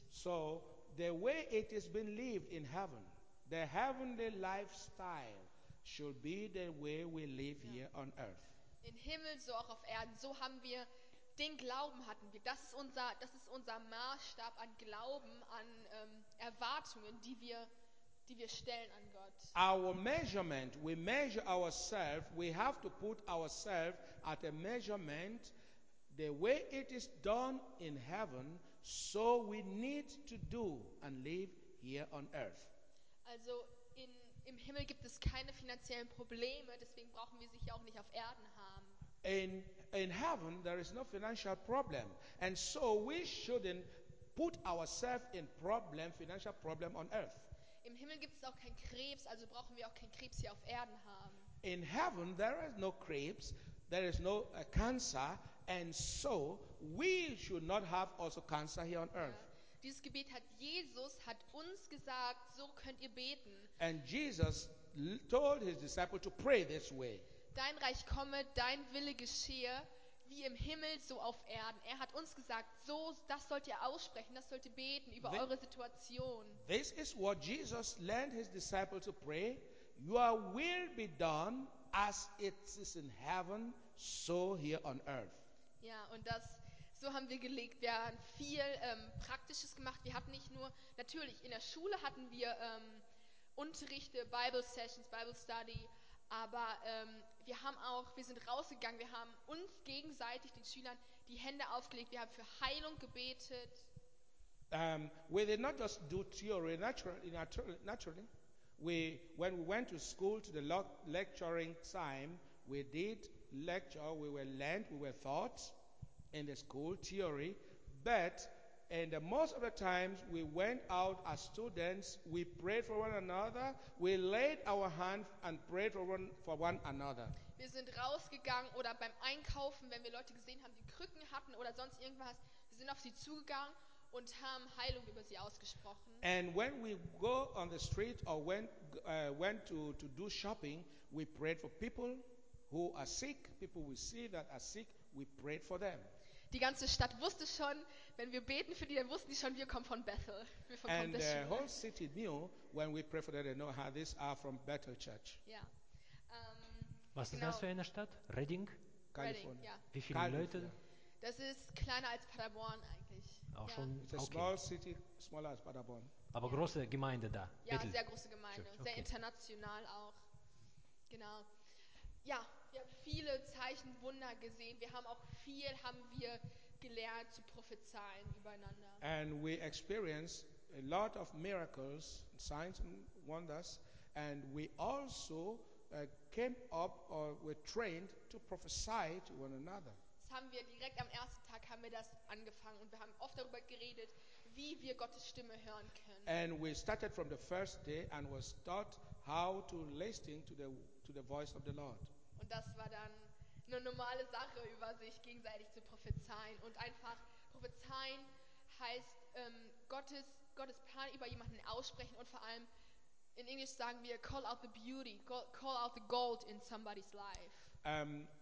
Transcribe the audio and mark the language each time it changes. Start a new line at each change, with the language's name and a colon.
English: So, the way it has been lived in heaven, the heavenly lifestyle should be the way we live here on earth.
German: Im Himmel, so auch auf Erden. So haben wir den Glauben hatten wir. Das ist unser Maßstab an Glauben, an Erwartungen, die wir stellen an Gott.
English: Our measurement, we measure ourselves, we have to put ourselves at a measurement. The way it is done in heaven, so we need to do and live here on earth.
German: Also im Himmel gibt es keine finanziellen Probleme, deswegen brauchen wir sie hier auch nicht auf Erden haben.
English: In heaven there is no financial problem, and so we shouldn't put ourselves in problem, financial problem on earth.
German: Im Himmel gibt es auch keinen Krebs, also brauchen wir auch keinen Krebs hier auf Erden haben.
English: In heaven there is no Krebs, there is no cancer. And so we should not have also cancer here on earth.
German: Dieses Gebet hat Jesus hat uns gesagt, so könnt ihr beten.
English: And Jesus told his disciples to pray this way.
German: Dein Reich komme, dein Wille geschehe, wie im Himmel so auf Erden. Er hat uns gesagt, so das sollt ihr aussprechen, das sollt ihr beten über eure Situation.
English: This is what Jesus learned his disciples to pray. Your will be done as it is in heaven, so here on earth.
German: Ja, und das, so haben wir gelegt. Wir haben viel Praktisches gemacht. Wir hatten nicht nur, natürlich, in der Schule hatten wir Unterrichte,
English: Bible Sessions, Bible Study,
German: aber wir sind rausgegangen, wir haben uns gegenseitig, den Schülern, die Hände aufgelegt, wir haben für Heilung gebetet.
English: We did not just do theory naturally. When we went to school, to the lecturing time, we did lecture, we were learned, we were taught in the school theory, but in the most of the times we went out as students, we prayed for one another, we laid our hands and prayed for one another.
German: Wir sind rausgegangen oder beim Einkaufen, wenn wir Leute gesehen haben, die Krücken hatten oder sonst irgendwas, wir sind auf sie zugegangen und haben Heilung über sie ausgesprochen.
English: And when we go on the street or went to do shopping, we prayed for people who are sick, people we see that are sick, we prayed for them.
German: Die ganze Stadt wusste schon, wenn wir beten für die, dann wussten die schon, wir kommen von Bethel.
English: And the whole city knew when we prayed for them, they know how these are from Bethel Church. Yeah.
German: Was ist das für eine Stadt? Reading?
English: California.
German: Yeah. Wie viele Leute? Das ist kleiner als Paderborn eigentlich. Auch schon?
English: It's a small city, smaller
German: als Paderborn. Aber große Gemeinde da? Ja, Bethel. Sehr große Gemeinde. Okay. Sehr international auch. Genau. Ja, wir haben viele Zeichen, Wunder gesehen. Wir haben auch viel, haben wir gelernt zu prophezeien übereinander.
English: And we experienced a lot of miracles, signs and wonders, and we also came up or were trained to prophesy to one another.
German: Das haben wir direkt am ersten Tag haben wir das angefangen und wir haben oft darüber geredet, wie wir Gottes Stimme hören können.
English: And we started from the first day and was taught how to listen to the voice of the Lord.
German: Und das war dann eine normale Sache, über sich gegenseitig zu prophezeien. Und einfach prophezeien heißt Gottes Plan über jemanden aussprechen und vor allem in Englisch sagen wir
English: call out the beauty, call out the gold in somebody's life.